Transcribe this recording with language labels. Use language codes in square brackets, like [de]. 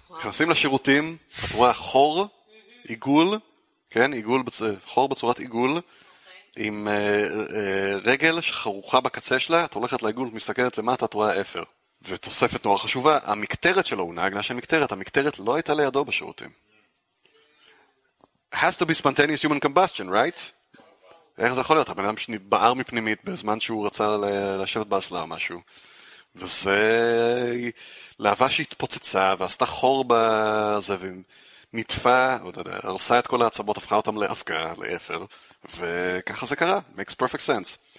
[he] נכנסים לשירותים, את רואה חור, עיגול, כן, עיגול, חור בצורת עיגול, עם רגל שחרוכה בקצה שלה, את הולכת לעיגול, מסתכלת למטה, את רואה אפר. ותוספת נורא חשובה, המקטרת שלו, הוא נהג נשן מקטרת, המקטרת לא הייתה לידו בשירותים. [en] has to be spontaneous human combustion, right? [he] איך זה יכול להיות? הבן אדם שנתבער מפנימית בזמן שהוא רצה לשבת באסלה או משהו. וזה להבה שהתפוצצה ועשתה חור בזה ונטפה, הרסה את כל העצבות, הפכה אותם לאפקה, לאפר, וככה זה קרה. [en] makes perfect sense.